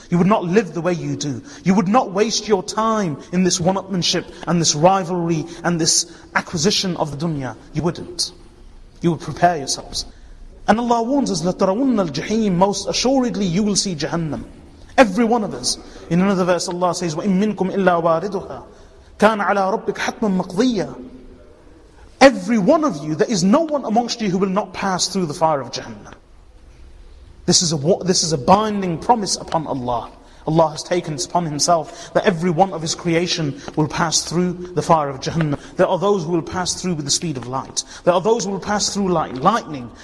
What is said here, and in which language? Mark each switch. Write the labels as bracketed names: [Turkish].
[English] You would not live the way you do. You would not waste your time in this one-upmanship and this rivalry and this acquisition of the dunya. You wouldn't. You would prepare yourselves. And Allah warns us, [Arabic] لَتَرَوُنَّ الْجَحِيمِ. [English] Most assuredly you will see Jahannam. Every one of us. In another verse Allah says, [Arabic] وَإِن مِّنْكُمْ إِلَّا وَارِدُهَا كَانَ عَلَىٰ رَبِّكَ حَتْمًا مَقْضِيًّا. [English] Every one of you, there is no one amongst you who will not pass through the fire of Jahannam. This is a binding promise upon Allah. Allah has taken this upon Himself that every one of His creation will pass through the fire of Jahannam. There are those who will pass through with the speed of light. There are those who will pass through like lightning.